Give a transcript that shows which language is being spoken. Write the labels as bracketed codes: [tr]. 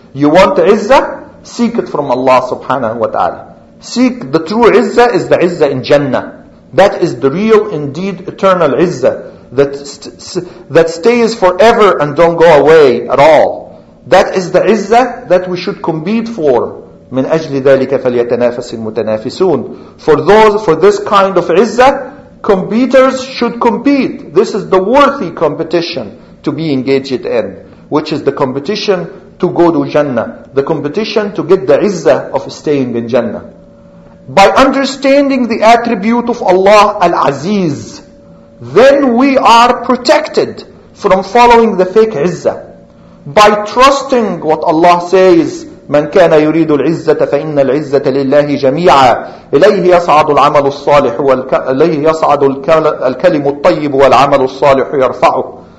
[en] You want izzah? Seek it from Allah subhanahu wa ta'ala. Seek the true izzah is the izzah in Jannah. That is the real, indeed, eternal izzah that stays forever and don't go away at all. That is the izzah that we should compete for. [ar] من أجل ذلك فليتنافس المتنافسون. [en] For those, for this kind of izzah, competitors should compete. This is the worthy competition to be engaged in, which is the competition to go to Jannah, the competition to get the izzah of staying in Jannah. By understanding the attribute of Allah Al-Aziz, then we are protected from following the fake izzah. By trusting what Allah says, [ar] من كان يريد العزة فإن العزة لله جميعا إليه يصعد العمل الصالح إليه يصعد الكلم الطيب والعمل الصالح يرفعه.